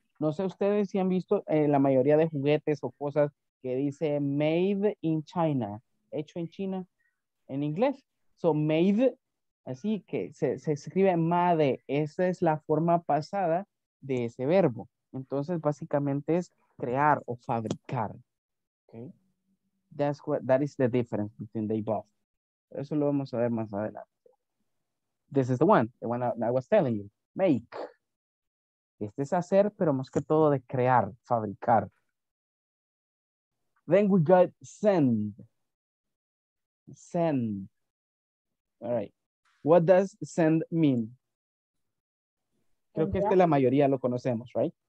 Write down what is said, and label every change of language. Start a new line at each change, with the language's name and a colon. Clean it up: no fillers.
Spanish: No sé ustedes si han visto la mayoría de juguetes o cosas que dice
English: made in China,
Spanish: hecho en China, en inglés. So, made, así que se escribe made. Esa es la forma pasada de ese verbo. Entonces, básicamente es crear o fabricar. Okay.
English: That's what, that is the difference between they both.
Spanish: Eso lo vamos a ver más adelante.
English: This is the one I was telling you. Make.
Spanish: Este es hacer, pero más que todo de crear, fabricar.
English: Then we got send. Send. All right. What does send mean?
Spanish: Creo que este la mayoría lo conocemos, right?